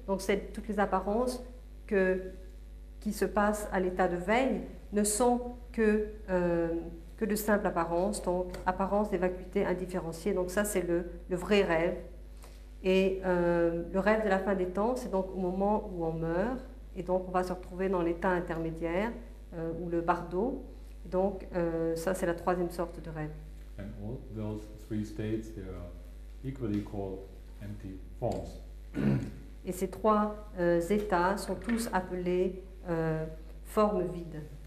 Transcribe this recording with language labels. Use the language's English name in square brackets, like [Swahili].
[French] Donc c'est toutes les apparences qui se passent à l'état de veille ne sont que de simples apparences, donc apparence et vacuité indifférenciée. Donc ça, c'est le vrai rêve. Et le rêve de la fin des temps, c'est donc au moment où on meurt, et donc on va se retrouver dans l'état intermédiaire, ou le bardo. Donc ça, c'est la troisième sorte de rêve. [English] And all those three states, they are equally called empty forms. [French] Et ces trois états sont tous appelés formes vides.